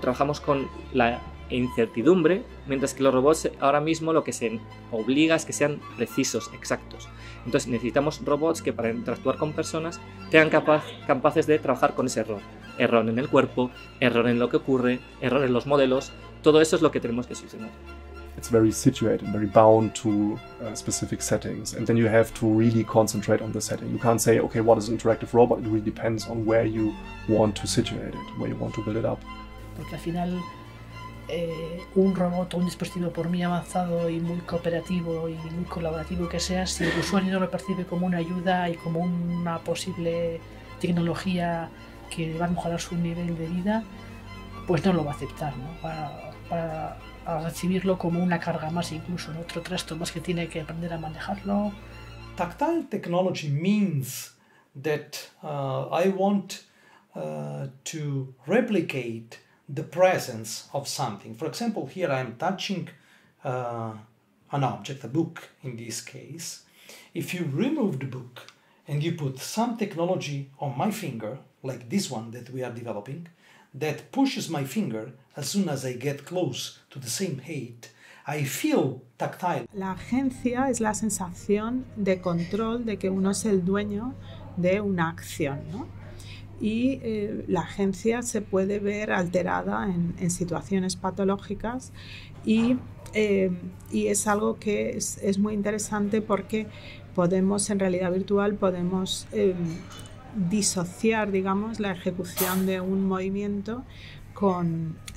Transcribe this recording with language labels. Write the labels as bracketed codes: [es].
[es] Trabajamos con la incertidumbre, mientras que los robots ahora mismo lo que se obliga es que sean precisos, exactos. Entonces necesitamos robots que para interactuar con personas sean capaces de trabajar con ese error. Error en el cuerpo, error en lo que ocurre, error en los modelos, todo eso es lo que tenemos que solucionar. [en] It's very situated, very bound to specific settings, and then you have to really concentrate on the setting. You can't say, okay, what is an interactive robot? It really depends on where you want to situate it, where you want to build it up. [es] Porque al final, un robot o un dispositivo por muy avanzado y muy cooperativo y muy colaborativo que sea, si el usuario no lo percibe como una ayuda y como una posible tecnología que va a mejorar su nivel de vida, pues no lo va a aceptar, ¿no? Para recibirlo como una carga más, incluso en otro trasto más que tiene que aprender a manejarlo. [en] Tactile technology means that I want to replicate the presence of something. For example, here I'm touching an object, a book in this case. If you remove the book and you put some technology on my finger, like this one that we are developing, that pushes my finger as soon as I get close to the same height, I feel tactile. [es] La agencia es la sensación de control de que uno es el dueño de una acción, ¿no? Y la agencia se puede ver alterada en situaciones patológicas y es algo que es muy interesante porque podemos, en realidad virtual, podemos disociar, digamos, la ejecución de un movimiento con...